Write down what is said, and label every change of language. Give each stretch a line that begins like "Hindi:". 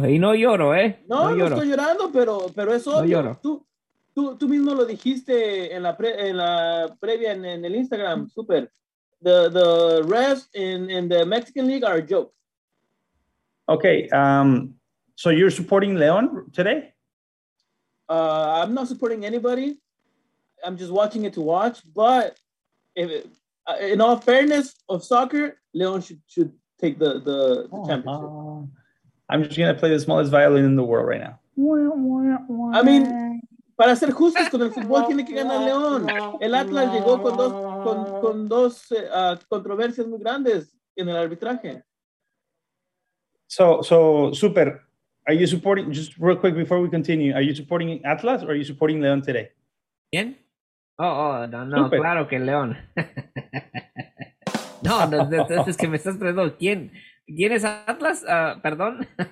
Spanish: No estoy llorando, pero es obvio. No lloro. Tú mismo lo dijiste en la previa en el Instagram, súper.
English: The refs in the Mexican League are a joke. Okay, so you're supporting León today? I'm not supporting anybody. I'm just watching it to watch, but in all fairness of soccer, León should take the championship. I'm just going to play the smallest violin in the world right now.
Spanish: I mean, para ser justos con el fútbol, tiene que ganar León. El Atlas llegó con dos controversias muy grandes en el arbitraje.
English: So super. Are you supporting, just real quick before we continue, are you supporting Atlas or are you supporting León today?
Spanish: ¿Quién? No, super. Claro que León. No, es que me estás preguntando, ¿quién? ¿Quién es Atlas? Perdón.